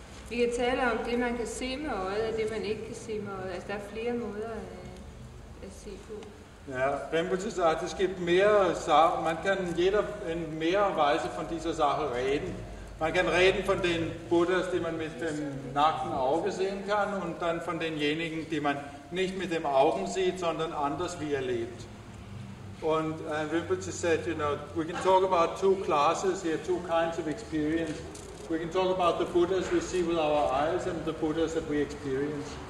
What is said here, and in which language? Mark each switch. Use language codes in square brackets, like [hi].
[da] vi kan tale om det man kan se med øjet og det man ikke kan se med øjet. Altså, der er flere måder at se på. [de] Ja, Rinpoche sagt, es gibt mehrere Sachen. Man kann jeder in mehrere Weise von dieser Sache reden. Man kann reden von den Buddhas, die man mit dem nackten Auge sehen kann und dann von denjenigen, die man nicht mit dem Augen sieht, sondern anders wie er lebt. [en] Und Rinpoche said, you know, we can talk about two classes here, two kinds of experience. We can talk about the Buddhas we see with our eyes and the Buddhas that we experience.